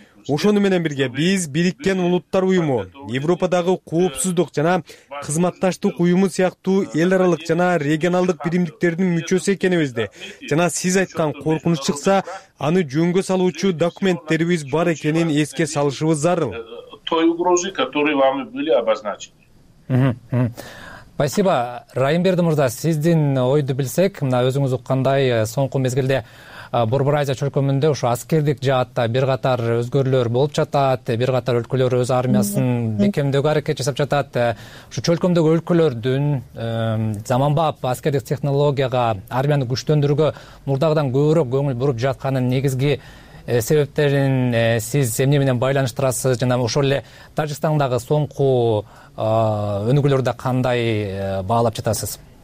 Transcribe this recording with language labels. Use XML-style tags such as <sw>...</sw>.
<ky>Ошону менен бирге биз Бириккен Улуттар Уюму, Европадагы Коопсуздук жана Кызматташтык Уюму сыяктуу эл аралык жана регионалдык биримдиктердин мүчөсү экенибизди жана сиз айткан коркунуч чыкса, аны жөнгө салуучу документтерибиз бар экенин эске салышыбыз зарыл.</ky> <ru>Той угрозы, которые вами были обозначены.</ru> <ky>Спасибо, Райымберди мырза, сиздин ойду билсек, мына өзүңүз уккандай соңку мезгилде Борбор Азия чөлкөмүндө ушу аскердик жаатта бир катар өзгөрүүлөр болуп жатат, бир катар өлкөлөр өз армиясын бекемдөөгө аракет жасап жатат. Ушу чөлкөмдөгү өлкөлөрдүн заманбап аскердик технологияга, армияны күчтөндүрүүгө мурдагыдан көбүрөөк көңүл буруп жатканын негизги себептерин сиз эмне менен байланыштырасыз жана ошол эле Тажикстандагы соңку өнүгүүлөрдү кандай баалап жатасыз?</ky>